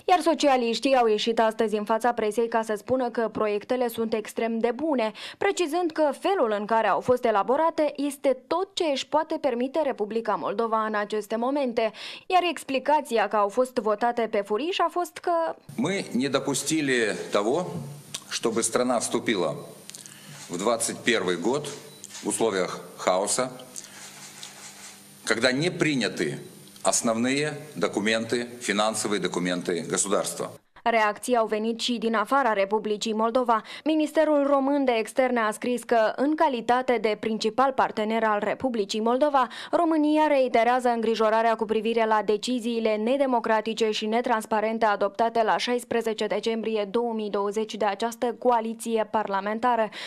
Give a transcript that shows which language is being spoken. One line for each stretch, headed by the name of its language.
Romanian: Iar socialiștii au ieșit astăzi în fața presei ca să spună că proiectele sunt extrem de bune, precizând că felul în care au fost elaborate este tot ce își poate permite Republica Moldova în aceste momente. Iar explicația că au fost votate pe furiș a fost că...
Russian: Мы не допустили того, чтобы страна вступила в 21 год в условиях хаоса, когда не приняты основные документы, финансовые документы государства.
Romanian: Reacții au venit și din afara Republicii Moldova. Ministerul Român de Externe a scris că, în calitate de principal partener al Republicii Moldova, România reiterează îngrijorarea cu privire la deciziile nedemocratice și netransparente adoptate la 16 decembrie 2020 de această coaliție parlamentară,